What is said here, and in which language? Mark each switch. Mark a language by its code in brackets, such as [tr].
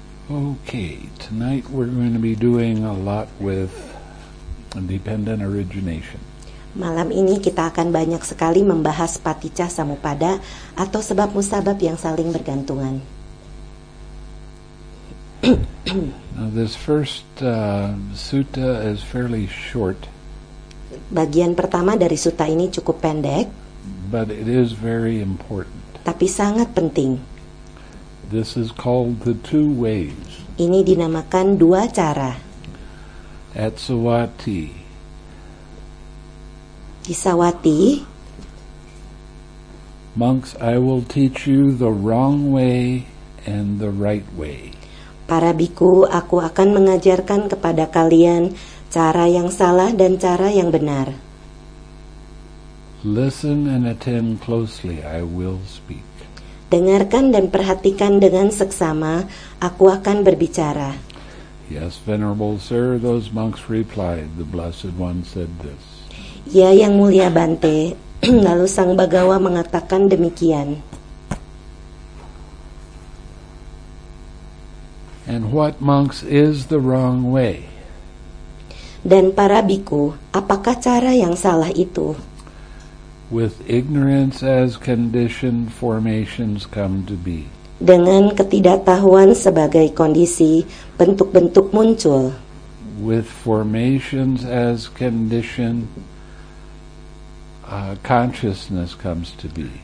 [en] Okay, tonight we're going to be doing a lot with dependent origination. [id] Malam ini kita akan banyak sekali membahas paticca samuppada atau sebab musabab yang saling bergantungan. [en] Now this first sutta is fairly short. [id] Bagian pertama dari sutta ini cukup pendek. [en] But it is very important. [id] Tapi sangat penting. [en] This is called the two ways. [id] Ini dinamakan dua cara. [en] At Sawati. [id] Di Sawati, [en] monks, I will teach you the wrong way and the right way. [id] Para bhikkhu, aku akan mengajarkan kepada kalian cara yang salah dan cara yang benar. [en] Listen and attend closely, I will speak. [id] Dengarkan dan perhatikan dengan seksama, aku akan berbicara. [en] Yes, venerable sir, those monks replied, the blessed one said this. [id] Ya, Yang Mulia Bante, lalu Sang Bhagawa mengatakan demikian. [en] And what, monks, is the wrong way? [id] Dan para bhikkhu, apakah cara yang salah itu? [en] With ignorance as condition, formations come to be. [id] Dengan ketidaktahuan sebagai kondisi, bentuk-bentuk muncul. [en] With formations as condition, consciousness comes to be.